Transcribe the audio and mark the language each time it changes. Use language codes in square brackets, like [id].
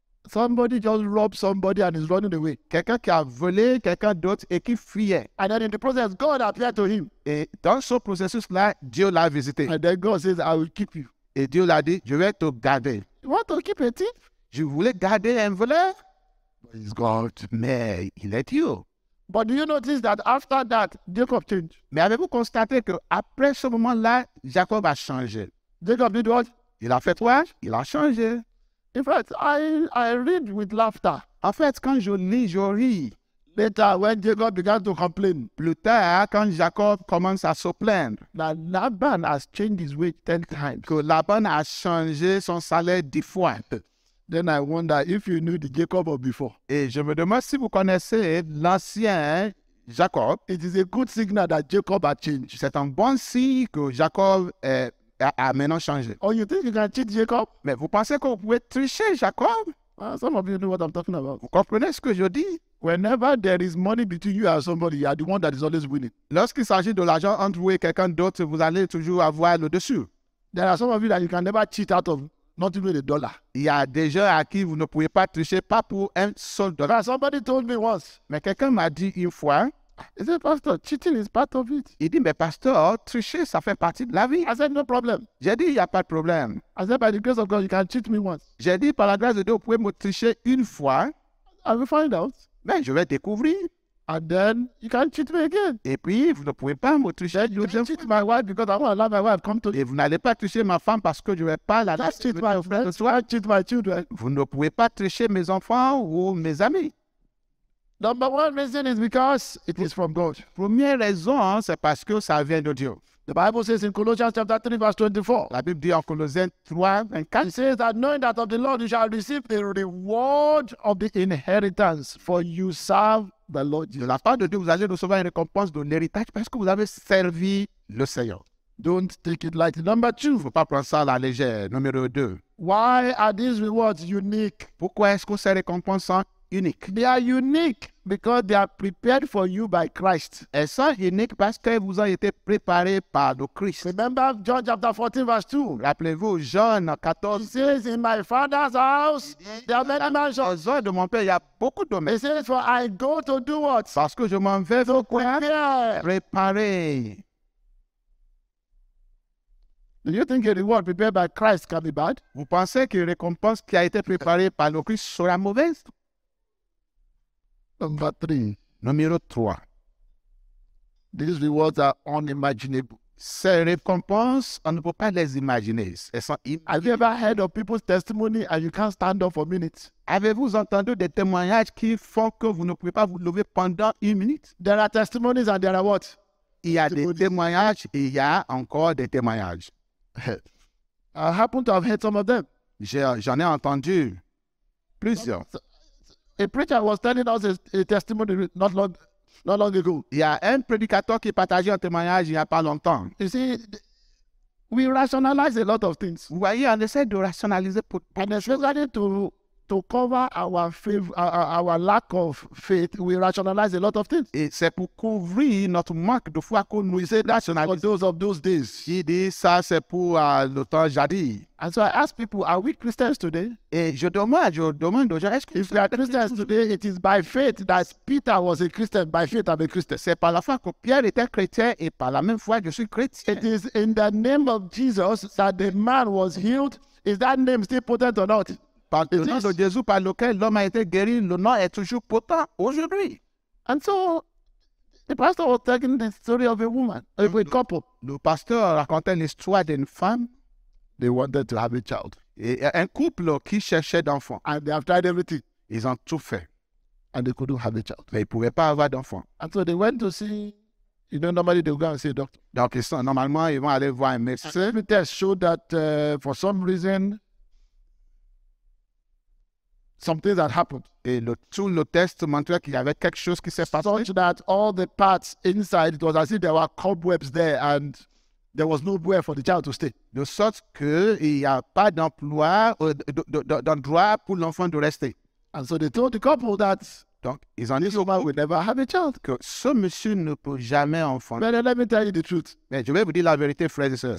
[en] Somebody just robbed somebody and is running away. [fr] Quelqu'un qui a volé quelqu'un d'autre et qui fuyait. [en] And then in the process, God appeared to him. [fr] Et dans ce processus-là, Dieu l'a visité. [en] And then God says, I will keep you. [fr] Et Dieu l'a dit, je vais te garder. [en] You want to keep a thief? [fr] Je voulais garder un voleur. [en] But it's God. [fr] Mais il est Dieu. [en] But do you notice that after that, Jacob changed? [fr] Mais avez-vous constaté que après ce moment-là, Jacob a changé? [en] Jacob did what? [fr] Il a fait quoi? Il a changé. [en] In fact, I read with laughter. [fr] En fait, quand je lis, je ris. [en] Later, when Jacob began to complain. [fr] Plus tard, quand Jacob commence à se plaindre. [en] That Laban has changed his wage 10 times. [fr] Que Laban a changé son salaire 10 fois. [en] Then I wonder if you knew the Jacob of before. [fr] Et je me demande si vous connaissez l'ancien Jacob. [en] It is a good signal that Jacob has changed. [fr] C'est un bon signe que Jacob a maintenant changé. [en] Oh, you think you can cheat Jacob? [fr] Mais vous pensez que vous pouvez tricher Jacob? [en] Some of you know what I'm talking about. [fr] Vous comprenez ce que je dis? [en] Whenever there is money between you and somebody, you are the one that is always winning. [fr] Lorsqu'il s'agit de l'argent entre vous et quelqu'un d'autre, vous allez toujours avoir le dessus. [en] There are some of you that you can never cheat out of not even a dollar. [fr] Il y a des gens à qui vous ne pouvez pas tricher, pas pour un seul dollar. [en] But somebody told me once. [fr] Mais quelqu'un m'a dit une fois. [en] He said, Pastor, cheating is part of it. [fr] Il dit, mais pasteur, tricher, ça fait partie de la vie. [en] I said, no problem. [fr] J'ai dit, il n'y a pas de problème. [en] I said, by the grace of God, you can cheat me once. [fr] J'ai dit, par la grâce de Dieu, vous pouvez me tricher une fois. [en] I will find out. [fr] Ben, je vais découvrir. [en] And then, you can cheat me again. [fr] Et puis, vous ne pouvez pas me tricher. [en] Then you can cheat my wife because I won't allow my wife come to. [fr] Et vous n'allez pas tricher ma femme parce que je ne vais pas la laisser. [en] Cheat my friends. I cheat my children. [fr] Vous ne pouvez pas tricher mes enfants ou mes amis. [en] Number one reason is because it is from God. [fr] Première raison, c'est parce que ça vient de Dieu. [en] The Bible says in Colossians chapter 3, verse 24. [fr] La Bible dit en Colossiens 3, 24. [en] It says that knowing that of the Lord you shall receive the reward of the inheritance, for you serve the Lord Jesus. [fr] De la part de Dieu, vous allez recevoir une récompense de l'héritage parce que vous avez servi le Seigneur. [en] Don't take it lightly. Number two. [fr] Il ne faut pas prendre ça à la légère. Numéro 2. [en] Why are these rewards unique? [fr] Pourquoi est-ce que ces récompenses sont uniques? [en] They are unique because they are prepared for you by Christ. [fr] Elles sont uniques parce qu'elles vous ont été préparées par le Christ. [en] Remember John chapter 14 verse 2. [fr] Rappelez-vous, John 14. [en] He says, in my father's house, there are many mansions. [fr] Au sein de mon père, il y a beaucoup de maisons. [en] He says, for I go to do what? [fr] Parce que je m'en vais [en] to prepare. [fr] Préparer. [en] Do you think a reward prepared by Christ can be bad? [fr] Vous pensez qu'une récompense qui a été préparée par le Christ sera mauvaise? [en] Number three. [fr] Numéro 3. [en] These rewards are unimaginable. [fr] Ces récompenses, on ne peut pas les imaginer. [en] Have you ever heard of people's testimony and you can't stand up for a minute? [fr] Avez-vous entendu des témoignages qui font que vous ne pouvez pas vous lever pendant une minute? [en] There are testimonies and there are what? [fr] Il y a des témoignages, il y a encore des témoignages. [en] I happen to have heard some of them. [fr] J'en ai entendu plusieurs. [en] A preacher was telling us a testimony not long ago. [fr] Yeah, un prédicateur qui partageait un témoignage il n'y a pas longtemps. [en] You see, we rationalize a lot of things. [fr] Vous voyez, on essaie de rationaliser pour [en] and especially to to cover our our lack of faith, we rationalize a lot of things. [fr] Et c'est pour couvrir notre manque de foi qu'on nous rationalise. [en] For those of those days. [fr] Il dit ça c'est pour le temps jadis. [en] And so I ask people, are we Christians today? [fr] Et je demande aux gens, est-ce que [en] if we are Christians today, it is by faith that Peter was a Christian. By faith, I'm a Christian. [fr] C'est par la foi que Pierre était chrétien et par la même foi, je suis chrétien. [en] It is in the name of Jesus that the man was healed. Is that name still potent or not? [fr] Par le nom de Jésus par lequel l'homme a été guéri, le nom est toujours potent aujourd'hui. [en] And so, the pastor was telling the story of a woman, of a couple. [fr] Le pasteur racontait l'histoire d'une femme. [en] They wanted to have a child. [fr] Et un couple qui cherchait d'enfant. [en] And they have tried everything. [fr] Ils ont tout fait. [en] And they couldn't have a child. [fr] Mais ils ne pouvaient pas avoir d'enfant. [en] And so they went to see, you know, normally they go and see a doctor. [fr] Donc, normalement, ils vont aller voir un médecin. [en] The test showed that for some reason, something that happened. [fr] Et le test montrait qu'il y avait quelque chose qui s'est passé. [en] Such that all the parts inside, it was as if there were cobwebs there and there was nowhere for the child to stay. [fr] De sorte qu'il n'y a pas d'emploi, d'endroit pour l'enfant de rester. [en] And so they told the couple that [fr] donc, ils ont dit [en] woman will never have a child. [fr] Que ce monsieur ne peut jamais enfant. [en] But let me tell you the truth. [fr] Mais je vais vous dire la vérité, frères et sœurs.